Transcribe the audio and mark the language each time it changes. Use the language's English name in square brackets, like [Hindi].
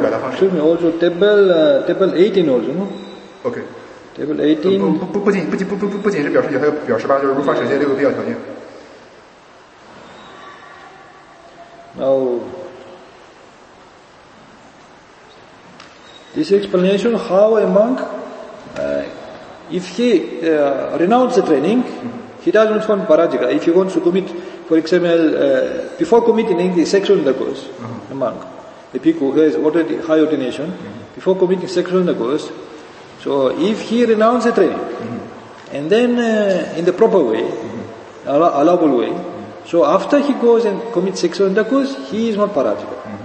[English] Excuse me, also table 18 also, no? Okay. Table 18. [Chinese] 不仅是表示九，还有表示八，就是如法舍戒六个必要条件。 [English] Now, this explanation how a monk if he renounces the training, he doesn't want parajika. If he wants to commit, for example, before committing any sexual intercourse, a monk, a bhikkhu who has already high ordination, before committing sexual intercourse, so if he renounces the training, and then in the proper way, allowable way, so after he goes and commits sexual intercourse, he is not parajika.